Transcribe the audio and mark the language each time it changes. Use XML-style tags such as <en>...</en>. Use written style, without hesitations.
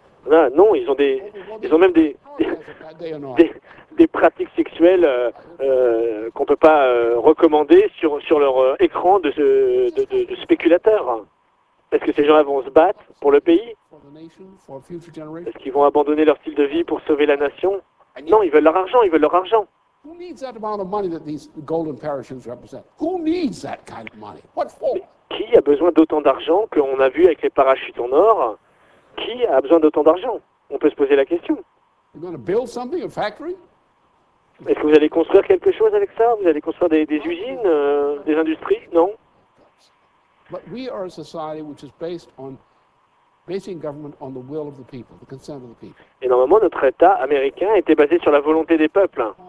<fr>Non, ils ont même des pratiques sexuelles qu'on ne peut pas recommander sur leur écran de spéculateurs. Est-ce que ces gens-là vont se battre pour le pays? Est-ce qu'ils vont abandonner leur style de vie pour sauver la nation? Non, ils veulent leur argent.</fr> <en>Who needs that amount of money that these golden parachutes represent? Who needs that kind of money? What for?</en> <fr>Qui a besoin d'autant d'argent qu'on a vu avec les parachutes en or? Qui a besoin d'autant d'argent? On peut se poser la question.</fr> <en>You're going to build something, a factory?</en> <fr>Est-ce que vous allez construire quelque chose avec ça? Vous allez construire des usines, des industries? Non.</fr> <en>But we are a society which is basing government on the will of the people, the consent of the people.</en> <fr>Et normalement, notre État américain était basé sur la volonté des peuples.</fr>